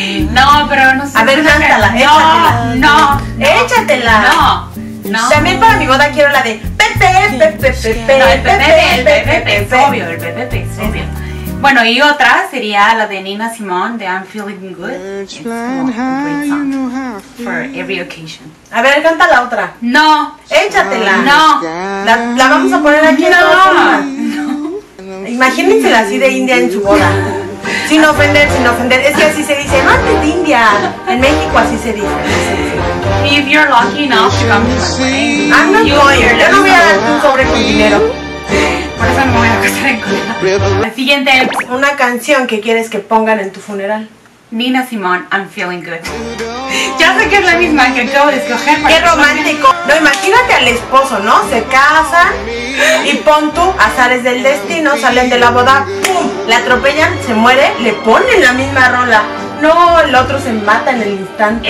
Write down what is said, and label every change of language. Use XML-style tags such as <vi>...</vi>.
<es>No, pero no sé. A ver, cántala, no, échatela. No, no. Échatela. No, no. También para mi boda quiero la de Pepe, Pepe, Pepe, Pepe, Pepe, Pepe, es obvio, el Pepe, Pepe, es obvio. Bueno, y otra sería la de Nina Simone, de I'm Feeling Good.</es> <en>It's a great song for every occasion.</en> <es>A ver, canta la otra. No. Échatela. No. La vamos a poner aquí. No. No. Imagínensela así de India en su boda. Sin ofender, sin ofender. Es que así se dice, antes de India. En México así se dice.</es> <en>If you're lucky enough to come to my wedding, I'm not lawyer.</en> <es>Yo no voy a dar un sobre con dinero. Por eso me voy a casar en Corea. Siguiente. Una canción que quieres que pongan en tu funeral. Nina Simone, I'm Feeling Good. Ya sé que es la misma que acabo de escoger. Qué romántico. No, imagínate al esposo, ¿no? Se casan y pon tú, azares del destino, salen de la boda, ¡pum! La atropellan, se muere, le ponen la misma rola. No, el otro se mata en el instante.</es>